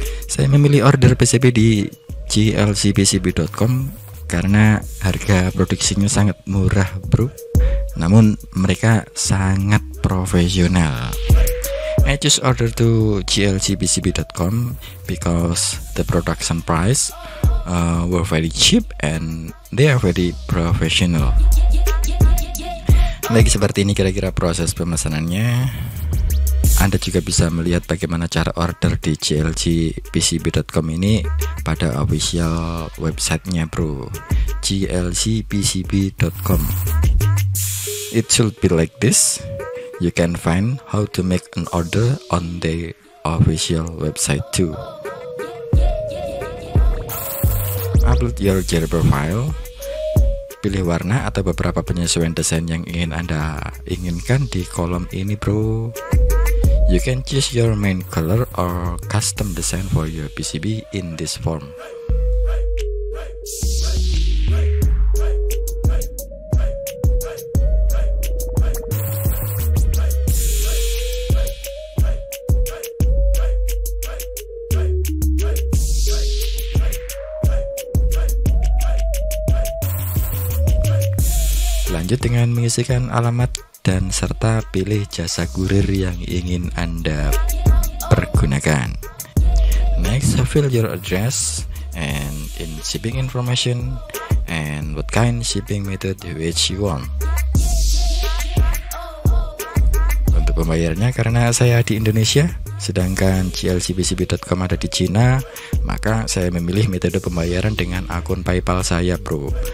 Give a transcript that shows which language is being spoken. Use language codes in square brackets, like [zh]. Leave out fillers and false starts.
[id] Saya memilih order PCB di glcpcb.com karena harga produksinya sangat murah, bro. Namun mereka sangat profesional. [en] I just order to glcpcb.com because the production price were very cheap and they are very professional. [id] Baik, seperti ini kira-kira proses pemesanannya. Anda juga bisa melihat bagaimana cara order di glcpcb.com ini pada official website-nya, bro. [en] glcpcb.com. It should be like this. You can find how to make an order on the official website too. Upload your Gerber file. [id] Pilih warna atau beberapa penyesuaian desain yang ingin Anda inginkan di kolom ini, bro. [en] You can choose your main color or custom design for your PCB in this form. [id] Lanjut dengan mengisikan alamat dan serta pilih jasa kurir yang ingin Anda pergunakan. [en] Next, fill your address and in shipping information and what kind shipping method which you want. [id] Untuk pembayarannya, karena saya di Indonesia sedangkan glcpcb.com ada di Cina, maka saya memilih metode pembayaran dengan akun PayPal saya, bro.